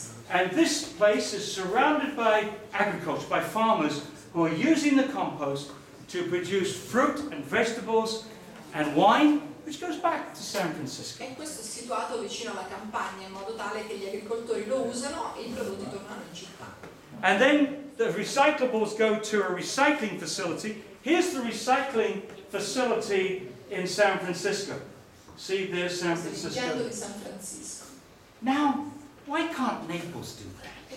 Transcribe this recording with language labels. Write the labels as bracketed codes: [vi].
[en] And this place is surrounded by agriculture, by farmers who are using the compost to produce fruit and vegetables and wine, which goes back to San Francisco. [it] E questo è situato vicino alla campagna in modo tale che gli agricoltori lo usano e i prodotti tornano in città. [en] And then the recyclables go to a recycling facility. Here's the recycling facility in San Francisco. See, there's San Francisco. Now, why can't Naples do that?